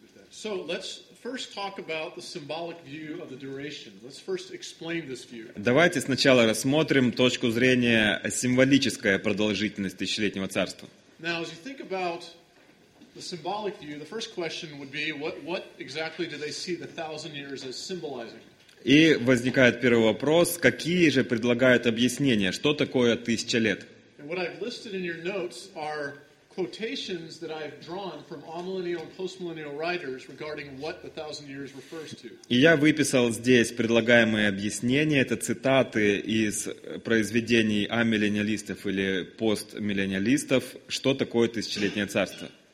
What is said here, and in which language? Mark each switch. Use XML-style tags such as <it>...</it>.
<en>So let's first talk about the symbolic view of the duration. Let's first explain this view.</en> <ru>Давайте сначала рассмотрим точку зрения символической продолжительности тысячелетнего царства.</ru> <en>Now, as you think about the symbolic view, the first question would be, what exactly do they see the thousand years as symbolizing?</en> <ru>И возникает первый вопрос, какие же предлагают объяснения, что такое тысяча лет?</ru> <en>And what I've listed in your notes are quotations that I've drawn from amillennial and postmillennial writers regarding what the thousand years refers to.</en> <ru>И я выписал здесь предлагаемые объяснения, это цитаты из произведений амиллениалистов или постмиллениалистов, что такое тысячелетнее царство.</ru>